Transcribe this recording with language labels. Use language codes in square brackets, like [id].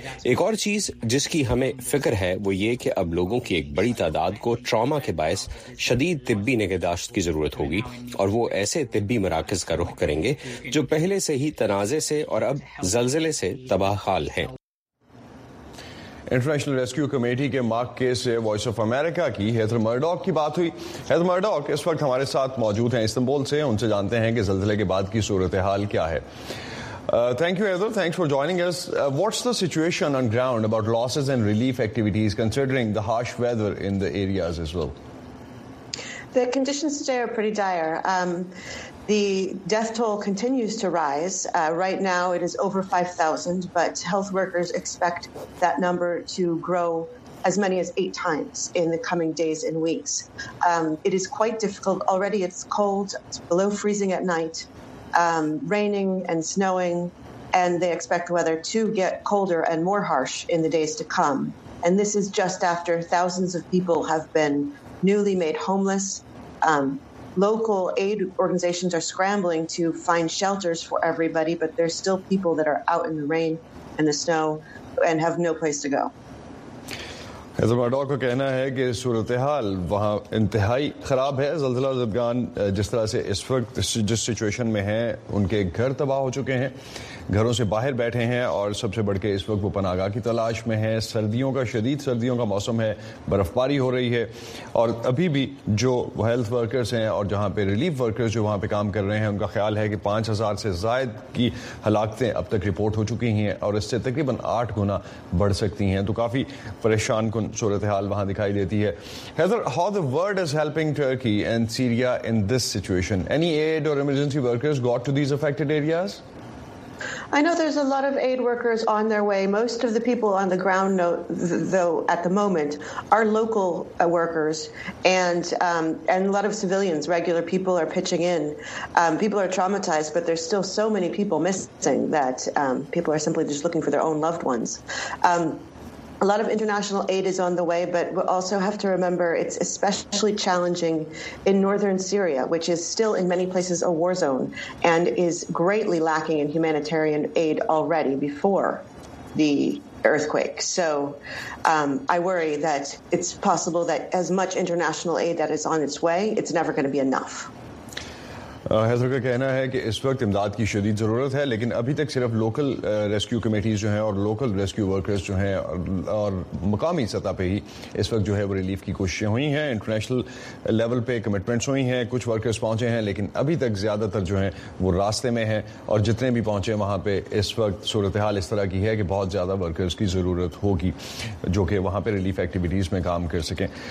[ur] ایک اور چیز جس کی ہمیں فکر ہے وہ یہ کہ اب لوگوں کی ایک بڑی تعداد کو ٹراما کے باعث شدید طبی نگہداشت کی ضرورت ہوگی، اور وہ ایسے طبی مراکز کا رخ کریں گے جو پہلے سے ہی تنازع سے اور اب زلزلے سے تباہ حال ہیں. انٹرنیشنل ریسکیو کمیٹی کے مارک کے سے وائس آف امریکہ کی ہیتھر مرڈاک کی بات ہوئی. ہیتھر مرڈاک اس وقت ہمارے ساتھ موجود ہیں استنبول سے. ان سے جانتے ہیں کہ زلزلے کے بعد کی صورتحال کیا ہے. [en] Thank you Heather, thanks for joining us. What's the situation on ground about losses and relief activities considering the harsh weather in the areas as well? The conditions today are pretty dire. The death toll continues to rise. Right now it is over 5,000, but health workers expect that number to grow as many as 8 times in the coming days and weeks. It is quite difficult. Already it's cold, it's below freezing at night, raining and snowing, and they expect weather to get colder and more harsh in the days to come. And this is just after thousands of people have been newly made homeless. Local aid organizations are scrambling to find shelters for everybody, but there's still people that are out in the rain and the snow and have no place to go. [ur] حضرت مرڈاک کا کہنا ہے کہ صورتحال وہاں انتہائی خراب ہے. زلزلہ زدگان جس طرح سے اس وقت جس سچویشن میں ہیں ان کے گھر تباہ ہو چکے ہیں. گھروں سے باہر بیٹھے ہیں اور سب سے بڑھ کے اس وقت وہ پناہ گاہ کی تلاش میں ہیں. سردیوں کا شدید سردیوں کا موسم ہے, برف باری ہو رہی ہے, اور ابھی بھی جو ہیلتھ ورکرز ہیں اور جہاں پہ ریلیف ورکرز جو وہاں پہ کام کر رہے ہیں ان کا خیال ہے کہ 5,000 سے زائد کی ہلاکتیں اب تک رپورٹ ہو چکی ہیں اور اس سے تقریباً 8 گنا بڑھ سکتی ہیں. تو کافی پریشان کن صورتحال وہاں دکھائی دیتی ہے. [en] Heather, how the world is helping Turkey and Syria in this situation? Any aid or emergency workers got to these affected areas? I know there's a lot of aid workers on their way. Most of the people on the ground, though, at the moment, are local workers, and a lot of civilians, regular people, are pitching in. People are traumatized, but there's still so many people missing that people are simply just looking for their own loved ones. A lot of international aid is on the way, but we also have to remember it's especially challenging in northern Syria, which is still in many places a war zone and is greatly lacking in humanitarian aid already before the earthquake. So I worry that it's possible that as much international aid that is on its way, it's never going to be enough. [ur] Haider کا کہنا ہے کہ اس وقت امداد کی شدید ضرورت ہے, لیکن ابھی تک صرف لوکل ریسکیو کمیٹیز جو ہیں اور لوکل ریسکیو ورکرز جو ہیں اور مقامی سطح پہ ہی اس وقت جو ہے وہ ریلیف کی کوششیں ہوئی ہیں. انٹرنیشنل لیول پہ کمٹمنٹس ہوئی ہیں, کچھ ورکرز پہنچے ہیں, لیکن ابھی تک زیادہ تر جو ہیں وہ راستے میں ہیں, اور جتنے بھی پہنچے وہاں پہ اس وقت صورتحال اس طرح کی ہے کہ بہت زیادہ ورکرز کی ضرورت ہوگی جو کہ وہاں پہ ریلیف ایکٹیویٹیز میں کام کر سکیں.